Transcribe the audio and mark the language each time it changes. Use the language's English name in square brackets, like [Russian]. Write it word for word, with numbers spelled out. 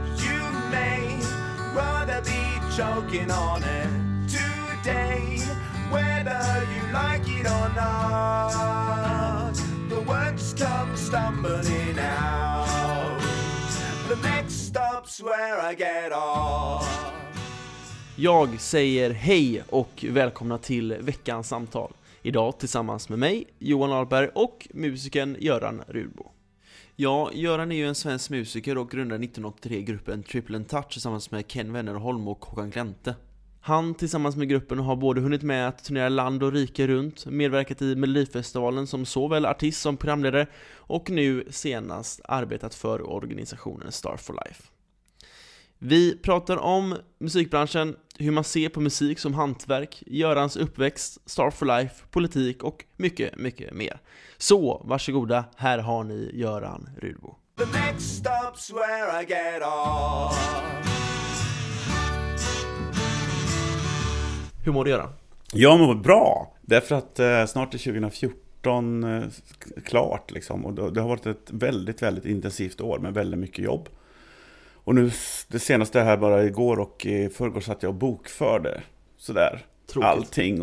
[English] You may rather be choking on it today, whether you like it or not. The words come stumbling out. The next stop's where I get off. [Swedish] Jag säger hej och välkomna till veckans samtal. Idag tillsammans med mig, Johan Ahlberg, och musikern Göran Rudbo. Ja, Göran är ju en svensk musiker och grundade nitton åttiotre gruppen Triple and Touch tillsammans med Ken Wennerholm och Håkan Glente. Han tillsammans med gruppen har både hunnit med att turnera land och rike runt, medverkat i Melodifestivalen som såväl artist som programledare och nu senast arbetat för organisationen Star for Life. Vi pratar om musikbranschen, hur man ser på musik som hantverk, Görans uppväxt, Star for Life, politik och mycket, mycket mer. Så, varsågoda, här har ni Göran Rudbo. [English] The next stop's where I get off. [Swedish] Hur mår du, Göran? Jag mår bra, därför att eh, snart är tjugohundrafjorton eh, klart liksom, och det har varit ett väldigt, väldigt intensivt år med väldigt mycket jobb. Och nu, det senaste här bara igår och i förrgår satt jag och bokförde sådär, Tråkigt. allting.